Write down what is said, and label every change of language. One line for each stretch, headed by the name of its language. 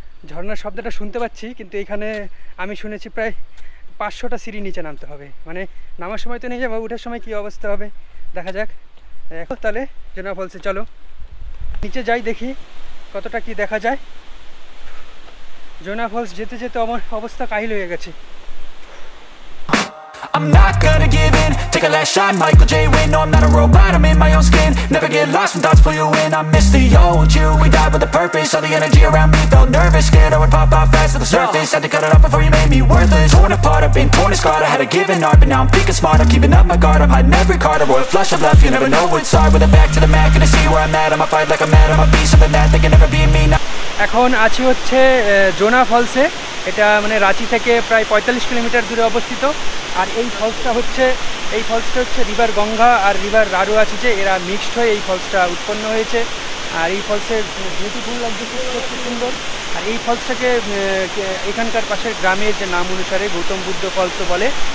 Bangla: ঝর্ণার শব্দটা শুনতে পাচ্ছি, কিন্তু এখানে আমি শুনেছি প্রায় 500টা সিঁড়ি নিচে নামতে হবে। মানে নামার সময় তো নিয়ে যাবো, উঠার সময় কী অবস্থা হবে দেখা যাক। এখন তাহলে জোনহাফলসে চলো নিচে যাই, দেখি কতটা কী দেখা যায়। জোনহাফলস যেতে যেতে আমার অবস্থা কাহিল হয়ে গেছে।
English: I'm not gonna give in, take a last shot, Michael J. Wynn. No, I'm not a robot, I'm in my own skin. Never get lost when thoughts pull you in. I miss the old you, we died with a purpose. All the energy around me felt nervous. Scared I would pop out fast to the surface. Had to cut it off before you made me worthless. Torn apart, I've been torn and scarred. I had a given art, but now I'm thinking smart. I'm keeping up my guard, I'm hiding every card. A royal flush of love, you never know what's hard. With a back to the mat, gonna see where I'm at. I'ma fight like I'm mad, I'ma be something that they can never be me now.
Bangla: এখন আছি হচ্ছে জোনহাফলসে। এটা মানে রাঁচি থেকে প্রায় 45 kilometre দূরে অবস্থিত। আর এই ফলসটা হচ্ছে, এই ফলসটা হচ্ছে রিভার গঙ্গা আর রিভার রারু আছে যে, এরা মিক্সড হয়ে এই ফলসটা উৎপন্ন হয়েছে। আর এই ফলসের বিউটিফুল লাগছে, খুব সুন্দর। আর এই ফলসটাকে এখানকার পাশের গ্রামের যে নাম অনুসারে গৌতম বুদ্ধ ফলস বলে।